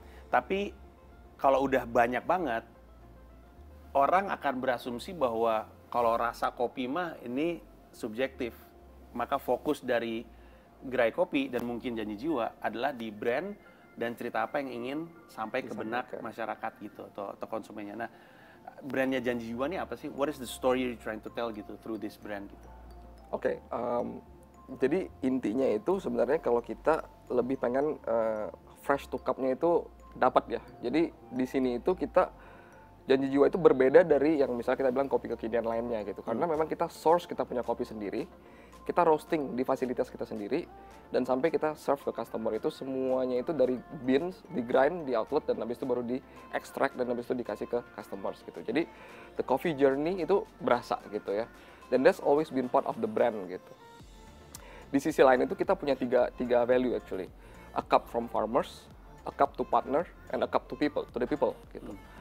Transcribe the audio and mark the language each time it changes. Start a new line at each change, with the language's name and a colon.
Indonesian: Tapi kalau udah banyak banget, orang akan berasumsi bahwa kalau rasa kopi mah ini subjektif. Maka fokus dari gerai kopi dan mungkin Janji Jiwa adalah di brand dan cerita apa yang ingin sampai ke benak masyarakat gitu atau konsumennya. Nah, brandnya Janji Jiwa ini apa sih?
English: What is the story you're trying to tell gitu through this brand gitu?
Indonesian: Oke, jadi intinya itu sebenarnya kalau kita lebih pengen fresh to cup-nya itu dapat ya. Jadi di sini itu kita Janji Jiwa itu berbeda dari yang misalnya kita bilang kopi kekinian lainnya gitu. Karena memang kita source, kita punya kopi sendiri, kita roasting di fasilitas kita sendiri, dan sampai kita serve ke customer itu semuanya itu dari beans, di grind, di outlet, dan habis itu baru di extract, dan habis itu dikasih ke customers gitu. Jadi
English: the coffee journey
Indonesian: itu berasa gitu ya.
English: Then that's always been part of the brand gitu.
Indonesian: Di sisi lain itu kita punya tiga value actually.
English: A cup from farmers, a cup to partner, and a cup to the people gitu.